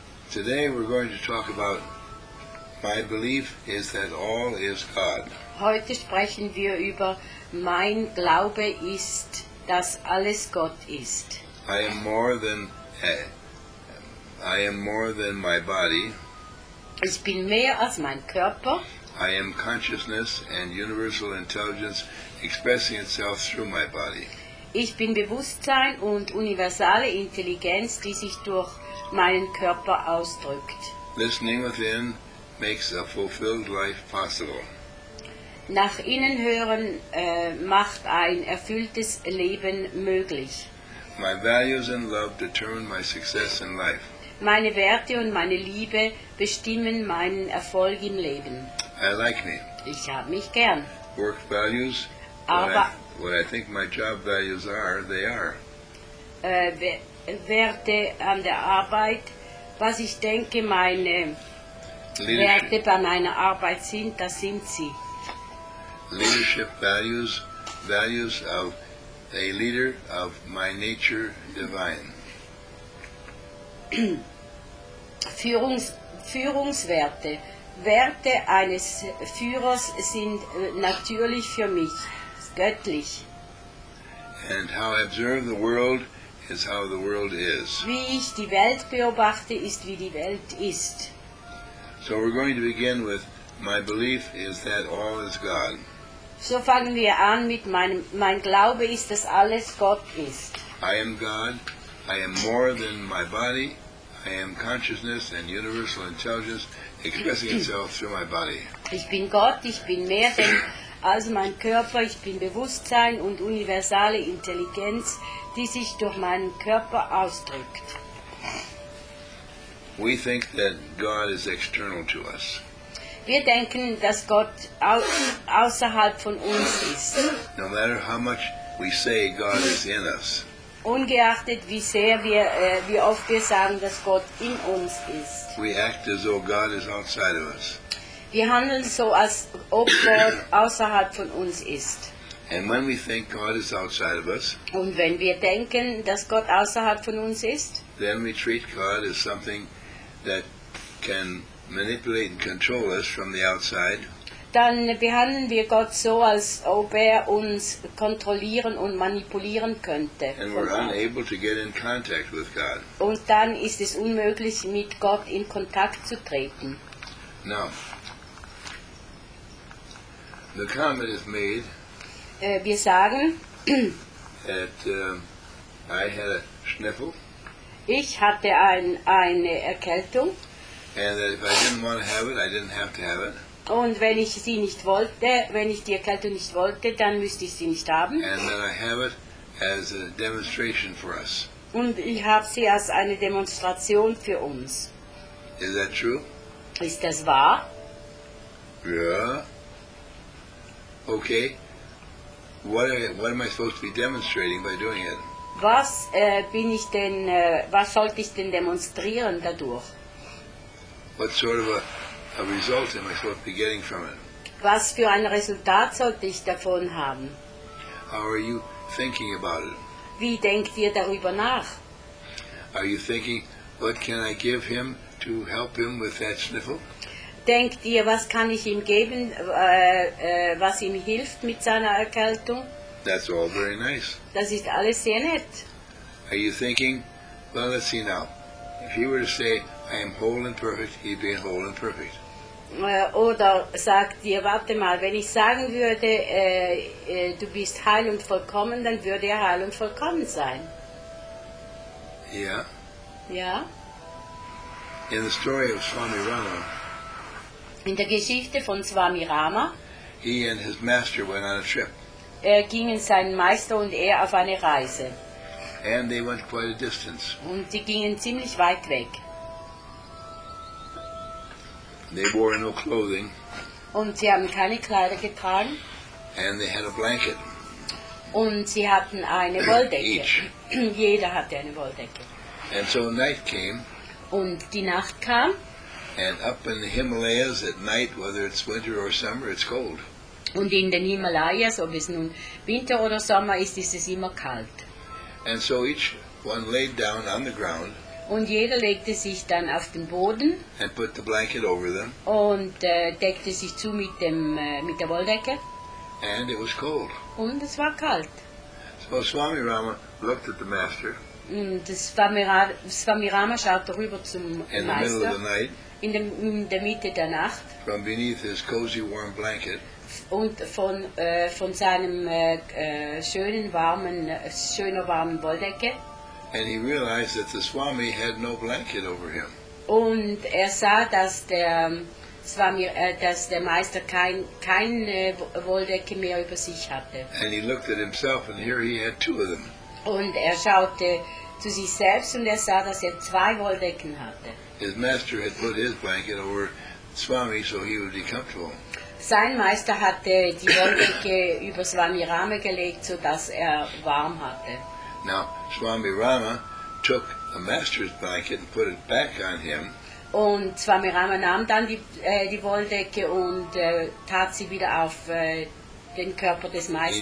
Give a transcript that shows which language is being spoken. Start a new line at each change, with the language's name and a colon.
English: Today we're going to talk about my belief is that all is God.
German: Heute sprechen wir über mein Glaube ist, dass alles Gott ist.
English: I am more than my body.
German: Ich bin mehr als mein Körper.
English: I am consciousness and universal intelligence expressing itself through my body.
German: Ich bin Bewusstsein und universale Intelligenz, die sich durch meinen Körper ausdrückt.
English: Listening within makes a fulfilled life possible.
German: Nach innen hören macht ein erfülltes Leben möglich.
English: My values and love determine my success in life.
German: Meine Werte und meine Liebe bestimmen meinen Erfolg im Leben.
English: I like me.
German: Ich habe mich gern.
English: Work values.
German: Aber
English: what I think my job values are, they are.
German: Werte an der Arbeit, was ich denke, meine Leadership. Werte bei meiner Arbeit sind, das sind sie.
English: Leadership values, values of a leader of my nature divine.
German: Führungswerte, Werte eines Führers sind natürlich für mich. Göttlich.
English: And how I observe the world is how the world is.
German: Wie ich die Welt beobachte, ist wie die Welt ist.
English: So we're going to begin with my belief is that all is God.
German: So fangen wir an mit meinem mein Glaube ist, dass alles Gott ist.
English: I am God. I am more than my body. I am consciousness and universal intelligence expressing itself through my body.
German: Ich bin Gott. Ich bin mehr denn also mein Körper, ich bin Bewusstsein und universale Intelligenz, die sich durch meinen Körper ausdrückt.
English: We think that God is external to us.
German: Wir denken, dass Gott außerhalb von uns ist.
English: No matter how much we say God is in us.
German: Ungeachtet, wie sehr wir, wie oft wir sagen, dass Gott in uns ist.
English: We act as though God is outside of us.
German: Wir handeln so, als ob Gott außerhalb von uns ist.
English: And when we think God is outside of us,
German: und wenn wir denken, dass Gott außerhalb von uns ist,
English: then we treat God as something that can manipulate and control us from the outside.
German: Dann behandeln wir Gott so, als ob er uns kontrollieren und manipulieren könnte.
English: And we're unable to get in contact with God.
German: Und dann ist es unmöglich, mit Gott in Kontakt zu treten.
English: Now, the comment is made.
German: Wir sagen,
English: that I had a sniffle.
German: Ich hatte eine Erkältung.
English: And that if I didn't want to have it, I didn't have to have it.
German: Und wenn ich sie nicht wollte, wenn ich die Erkältung nicht wollte, dann müsste ich sie nicht haben.
English: And that I have it as a demonstration for us.
German: Und ich habe sie als eine Demonstration für uns.
English: Is that true?
German: Ist das wahr?
English: Ja. Okay, what am I supposed to be demonstrating by doing it?
German: Was bin ich denn? Was sollte ich denn demonstrieren dadurch?
English: What sort of a result am I supposed to be getting from it?
German: Was für ein Resultat sollte ich davon haben?
English: How are you thinking about it?
German: Wie denkt ihr darüber nach?
English: Are you thinking, what can I give him to help him with that sniffle?
German: Denkt ihr, was kann ich ihm geben, was ihm hilft mit seiner Erkältung?
English: That's all very nice.
German: Das ist alles sehr nett.
English: Are you thinking, well, let's see now. If he were to say, I am whole and perfect, he'd be whole and perfect.
German: Oder sagt ihr, warte mal, wenn ich sagen würde, du bist heil und vollkommen, dann würde er heil und vollkommen sein. Ja. Ja.
English: In the story of Swami Rama,
German: in der Geschichte von Swami Rama.
English: He and his master went on a trip.
German: Er gingen sein Meister und er auf eine Reise.
English: And they went quite a distance.
German: Und sie gingen ziemlich weit weg.
English: They wore no clothing.
German: Und sie haben keine Kleider getragen.
English: And they had a blanket.
German: Und sie hatten eine Wolldecke. Jeder hatte eine Wolldecke.
English: And so night came.
German: Und die Nacht kam.
English: And up in the Himalayas at night, whether it's winter or summer, it's cold.
German: Und in den Himalayas, ob es nun Winter oder Sommer ist, ist es immer kalt.
English: And so each one laid down on the ground.
German: Und jeder legte sich dann auf den Boden.
English: And put the blanket over them.
German: Und deckte sich zu mit dem mit der Wolldecke.
English: And it was cold.
German: Und es war kalt.
English: So Swami Rama looked at the master.
German: Und Swami Rama schaute rüber zum in Meister.
English: In the middle of the night.
German: In der Mitte der Nacht.
English: From beneath his cozy warm blanket.
German: Und von seinem schöner warmen Wolldecke.
English: And he realized that the Swami had no blanket over him.
German: Und er sah, dass der Swami, dass der Meister keine Wolldecke mehr über sich hatte.
English: And he looked at himself, and here he had two of them.
German: Und er schaute zu sich selbst, und er sah, dass er zwei Wolldecken hatte.
English: His master had put his blanket over Swami, so he would be comfortable.
German: Sein Meister hatte die Wolldecke über Swami Rama gelegt, so dass er warm hatte.
English: Now Swami Rama took the master's blanket and put it back on him.
German: Und Swami Rama nahm dann die Wolldecke und tat sie wieder auf den Körper des Meisters.